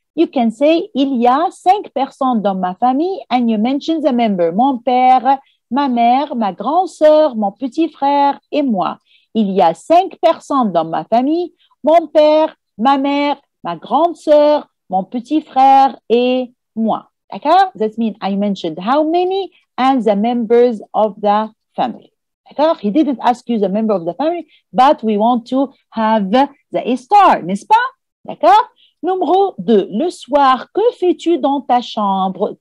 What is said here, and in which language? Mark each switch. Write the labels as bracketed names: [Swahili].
[English] You can say, [French] il y a 5 personnes dans ma famille, [English] and you mention the member. [French] Mon père, ma mère, ma grand-sœur, mon petit frère et moi. Il y a 5 personnes dans ma famille, mon père, ma mère, ma grande-sœur, mon petit frère et moi. D'accord? [English] That means I mentioned how many and the members of the family. D'accord? He didn't ask you the member of the family, but we want to have the A star, n'est-ce pas? [French] D'accord? Numéro 2. Le soir, que fais-tu dans ta chambre?